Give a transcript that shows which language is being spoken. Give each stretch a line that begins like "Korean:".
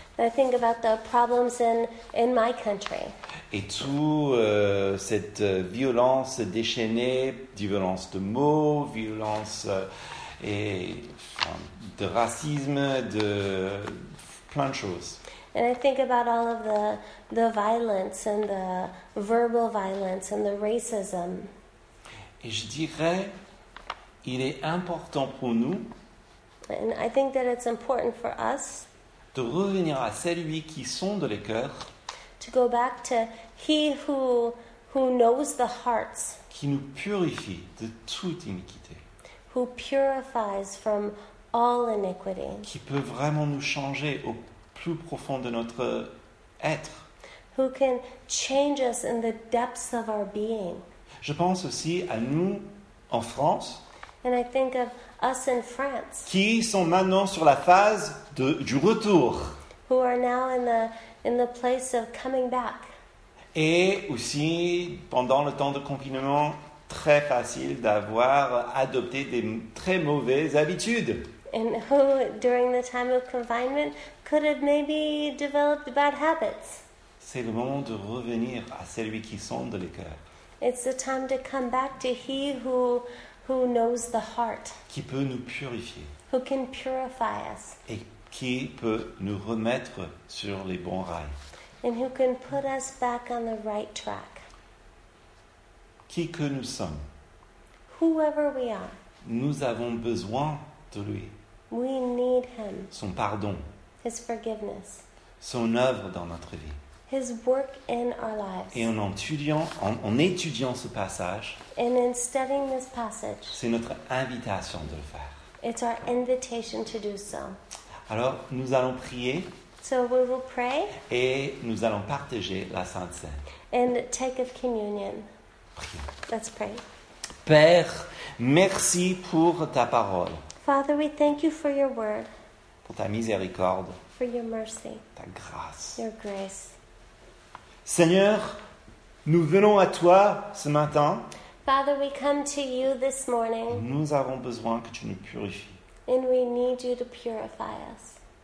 English: I think about the problems in my country.
French: Et toute cette violence déchaînée, violence de mots, violence de racisme, de plein de choses.
English: And I think about all of the violence and the verbal violence and the racism.
French: Et je dirais, il est important pour nous.
English: And I think that it's important for us.
French: De revenir à celui qui sonde les cœurs.
English: To go back to he who knows the hearts.
French: Qui nous purifie de toute iniquité.
English: Who purifies from all iniquity.
French: Qui peut vraiment nous changer au plus profond de notre être.
English: Who can change us in the depths of our being.
French: Je pense aussi à nous en France.
English: And I think of us in France.
French: Qui sont maintenant sur la phase du retour.
English: Who are now in the place of coming back.
French: Et aussi, pendant le temps de confinement, très facile d'avoir adopté des très mauvaises habitudes.
English: And who, during the time of confinement, could have maybe developed bad habits.
French: C'est le moment de revenir à celui qui sonde les cœurs.
English: It's the time to come back to he who knows the heart.
French: Qui peut nous purifier.
English: Who can purify us.
French: Et qui peut nous remettre sur les bons rails.
English: And who can put us back on the right track.
French: Qui que nous sommes.
English: Whoever we are.
French: Nous avons besoin de lui.
English: We need him.
French: Son pardon.
English: His forgiveness.
French: Son œuvre dans notre vie.
English: His work in our lives.
French: Et en étudiant ce passage.
English: And in studying this passage.
French: C'est notre invitation de le faire.
English: It's our invitation to do so.
French: Alors, nous allons prier.
English: So we will pray.
French: Et nous allons partager la Sainte Cène.
English: And take of communion.
French: Prions.
English: Let's pray.
French: Père, merci pour ta parole.
English: Father, we thank you for your word.
French: Pour ta miséricorde.
English: For your mercy.
French: Ta grâce.
English: Your grace.
French: Seigneur, nous venons à toi ce matin.
English: Father, we come to you this morning.
French: Nous avons besoin que tu nous purifies.
English: And we need you to purify us.